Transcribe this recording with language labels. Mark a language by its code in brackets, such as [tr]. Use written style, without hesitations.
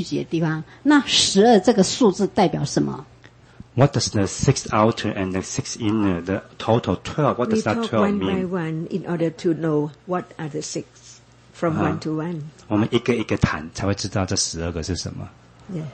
[zh] 那个处的意思是那个开会的地方聚集的一场，所以一定至少一个以上的实相，要不然不会有经验发生。哦，是，我知道是聚集的地方。那十二这个数字代表什么？ [en] What does the six outer and the six inner, the total 12, what does that 12 mean? We talk one by one in order to know what are the six from one to one. [zh] 我们一个一个谈，才会知道这十二个是什么。Yeah.